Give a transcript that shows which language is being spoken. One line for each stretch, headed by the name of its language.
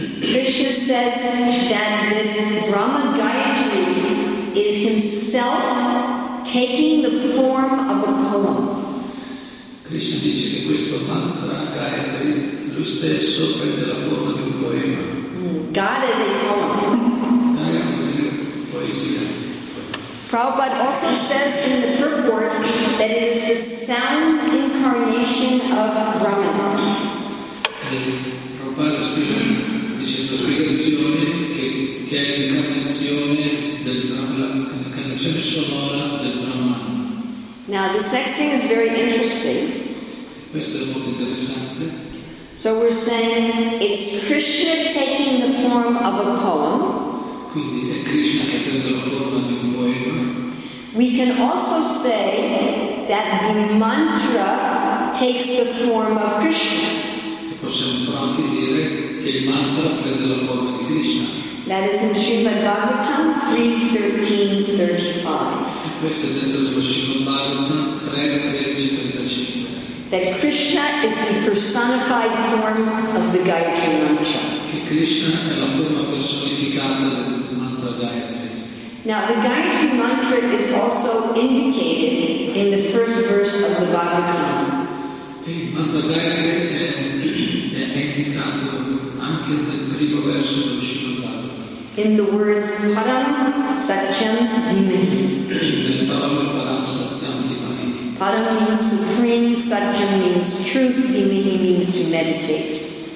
English: Krishna says that this Brahma Gayatri is himself taking the form of a poem.
Italian: Krishna dice che questo mantra Gayatri lui stesso prende la forma di un poema.
English: God is a poem.
Italian: Gayatri è poesia.
English: Prabhupada also says in the purport that it is the sound incarnation of Brahman.
Italian: Prabhupada dice la spiegazione che è l'incarnazione l'incarnazione sonora del Brahman.
English: Now this next thing is very interesting.
Italian: Questo è molto interessante.
English: So we're saying it's Krishna taking the form of a poem.
Italian: Quindi è Krishna che prende la forma di un poema.
English: We can also say that the mantra takes the form of Krishna.
Italian: Possiamo anche dire che il mantra prende la forma di Krishna.
English: That is in Srimad Bhagavatam 3:13-35.
Italian: Questo è detto nello Srimad Bhagavatam 3:13-35.
English: That Krishna is the personified form of the Gayatri mantra.
Italian: Che Krishna è la forma personificata del mantra Gayatri.
English: Now the Gayatri mantra is also indicated in the first verse of the Bhagavad Gita.
Italian: Il mantra Gayatri è indicato anche nel primo verso del Srimad Bhagavatam.
English: In the words Param Satyam Dhimahi.
Italian: Nel parola Param Satyam Dhimahi.
English: Param means supreme, Satyam means truth, Dhimahi means to meditate.